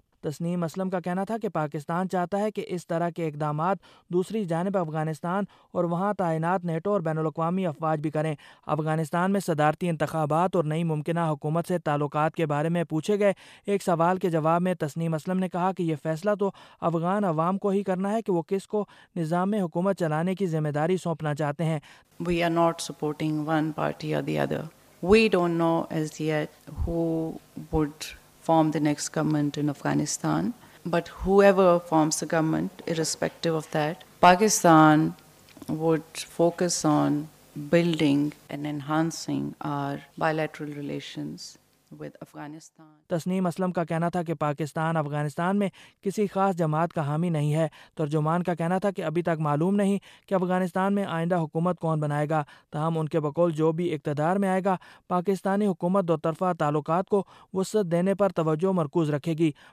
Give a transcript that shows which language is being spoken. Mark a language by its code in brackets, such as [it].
[ur] تسنیم اسلم کا کہنا تھا کہ پاکستان چاہتا ہے کہ اس طرح کے اقدامات دوسری جانب افغانستان اور وہاں تعینات نیٹو اور بین الاقوامی افواج بھی کریں. افغانستان میں صدارتی انتخابات اور نئی ممکنہ حکومت سے تعلقات کے بارے میں پوچھے گئے ایک سوال کے جواب میں تسنیم اسلم نے کہا کہ یہ فیصلہ تو افغان عوام کو ہی کرنا ہے کہ وہ کس کو نظام میں حکومت چلانے کی ذمہ داری سونپنا چاہتے ہیں. [en] We are not supporting one party or the other. We don't know as yet who would form the next government in Afghanistan, but whoever forms the government, irrespective of that, Pakistan would focus on building and enhancing our bilateral relations with Afghanistan. [ur] Tasnim Aslam کا کہنا تھا کہ پاکستان افغانستان میں کسی خاص جماعت کا حامی نہیں ہے. ترجمان کا کہنا تھا کہ ابھی تک معلوم نہیں کہ افغانستان میں آئندہ حکومت کون بنائے گا، تاہم ان کے بقول جو بھی اقتدار میں آئے گا پاکستانی حکومت دو طرفہ تعلقات کو وسعت دینے پر توجہ مرکوز رکھے گی.